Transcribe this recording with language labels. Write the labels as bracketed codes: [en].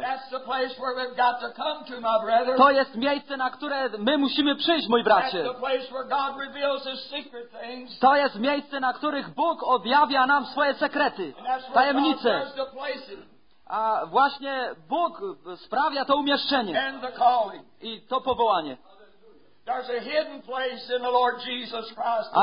[en] That's the place where we've got to come to, my brother. [pl] To jest miejsce, na które my musimy przyjść, mój bracie. [en] That's the place where God reveals his secret things. [pl] To jest miejsce, na których Bóg objawia nam swoje sekrety, tajemnice. [en] And that's where God does the places. [pl] A właśnie Bóg sprawia to umieszczenie [en] and the calling. [pl] I to powołanie. [en] There's a hidden place in the Lord Jesus Christ this